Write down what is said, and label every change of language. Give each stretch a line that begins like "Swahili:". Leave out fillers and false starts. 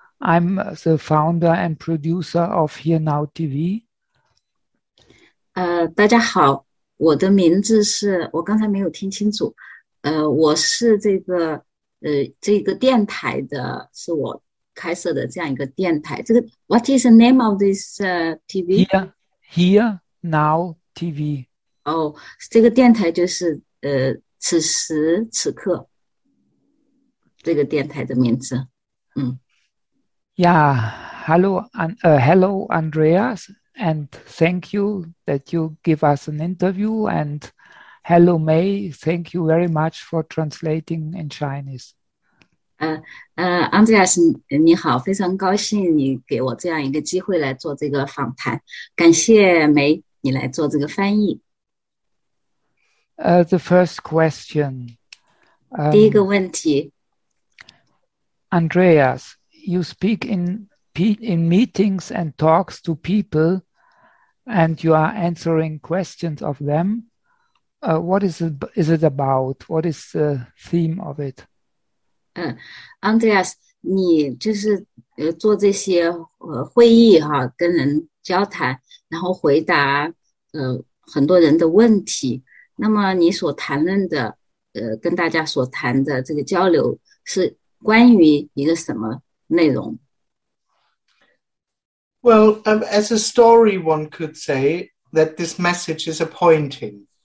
English: I'm the founder and producer of Here Now TV.
Chinese: 大家好，我的名字是，我刚才没有听清楚，我是这个电台的，是我开设的这样一个电台。
English: 这个 What is the name of this TV？ Here Now TV。
Chinese: 哦，这个电台就是此时此刻这个电台的名字，嗯。
English: Hello, Andreas, and thank you that you give us an interview. And hello, May, thank you very much for translating in Chinese.
Chinese: Andreas，你好，非常高兴你给我这样一个机会来做这个访谈，感谢梅你来做这个翻译。
English: The first question,
Chinese: 第一个问题。
English: Andreas. You speak in meetings and talks to people, and you are answering questions of them. What is it about? What is the theme of it?
Chinese: Andreas，你就是做这些会议哈，跟人交谈，然后回答很多人的问题。那么你所谈论的跟大家所谈的这个交流是关于一个什么内容？
English: Well, as a story, one could say that this message is a pointing.